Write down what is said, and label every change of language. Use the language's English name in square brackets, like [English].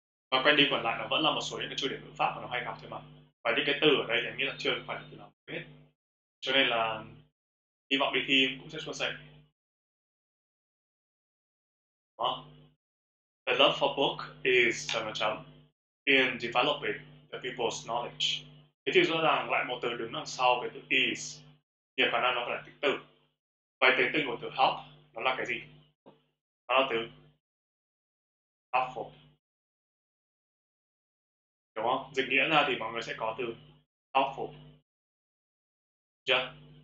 [Vietnamese] Và quen đi quẩn lại nó vẫn là một số những cái chủ đề ngữ pháp mà nó hay gặp thôi mà. Và những cái từ ở đây thì anh nghĩ là chưa phải là từ nào cũng biết. Cho nên là hy vọng đi thi cũng sẽ suôn sẻ. Đó. [English] The love for book is [Vietnamese] chấm chấm [English] in developing the people's knowledge. [Vietnamese] Thế thì rõ ràng lại một từ đứng đằng sau cái từ is, nhiều khả năng nó là tính từ. Vậy tính từ của từ help nó là cái gì? Nó là từ helpful. Đúng không? Dịch nghĩa ra thì mọi người sẽ có từ helpful. Yeah.